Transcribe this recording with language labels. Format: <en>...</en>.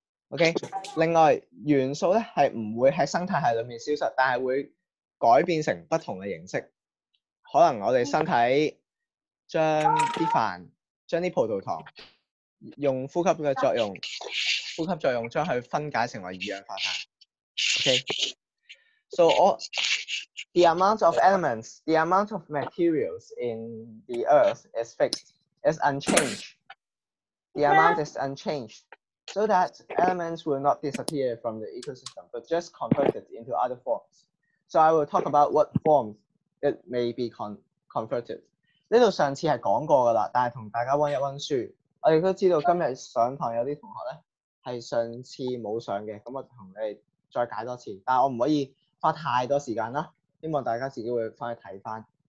<yue>OK， 另外元素咧係唔會喺生態系裏面消失，但係會改變成不同嘅形式。可能我哋身體將啲飯將啲葡萄糖用呼吸嘅作用，呼吸作用將佢分解成為二氧化碳。</yue> <en>Okay，so the amount of elements, the amount of materials in the earth is fixed, is unchanged. The amount is unchanged, so that elements will not disappear from the ecosystem, but just converted into other forms. So I will talk about what forms it may be converted.</en> <yue>呢度上次係講過噶啦，但係同大家温一温書。我哋都知道今日上堂有啲同學咧係上次冇上嘅，咁我同你再解多次。但係我唔可以花太多時間啦，希望大家自己會翻去睇翻。</yue>